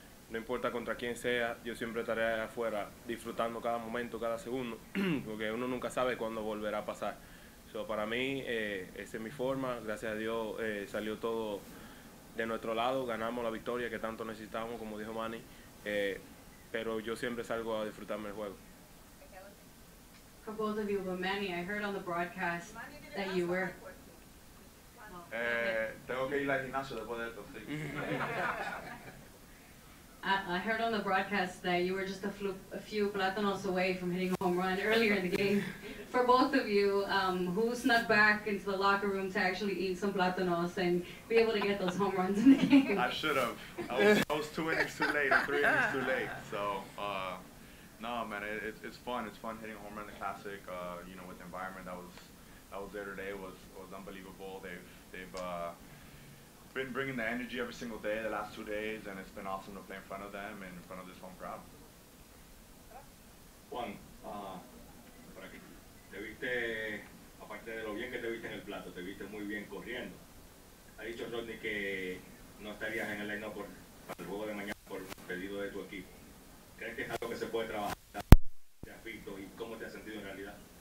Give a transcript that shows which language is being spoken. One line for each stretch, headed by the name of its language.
Spanish: No importa contra quién sea, yo siempre estaré afuera disfrutando cada momento, cada segundo, porque uno nunca sabe cuándo volverá a pasar. Para mí, esa es mi forma. Gracias a Dios salió todo de nuestro lado. Ganamos la victoria que tanto necesitábamos, como dijo Manny. Pero yo siempre salgo a disfrutarme el juego.
English: For both of you, but Manny, I heard on the broadcast that you were...
Spanish: Tengo que ir al gimnasio después de esto, sí.
English: I heard on the broadcast that you were just a few plátanos away from hitting a home run earlier in the game. For both of you, who snuck back into the locker room to actually eat some plátanos and be able to get those home runs in the game? I should have. I was 2 innings too late, 3 innings too late. So, no, man, it's fun. It's fun hitting a home run in the Classic, you know, with the environment that was there today. It was unbelievable. They've been bringing the energy every single day the last 2 days, and it's been awesome to play in front of them and in front of this home crowd.
Spanish: Juan, por aquí. Te viste, aparte de lo bien que te viste en el plato, te viste muy bien corriendo. Ha dicho Rodney que no estarías en el line-up para el juego de mañana por pedido de tu equipo. ¿Crees que es algo que se puede trabajar? ¿Te has visto y cómo te has sentido en realidad?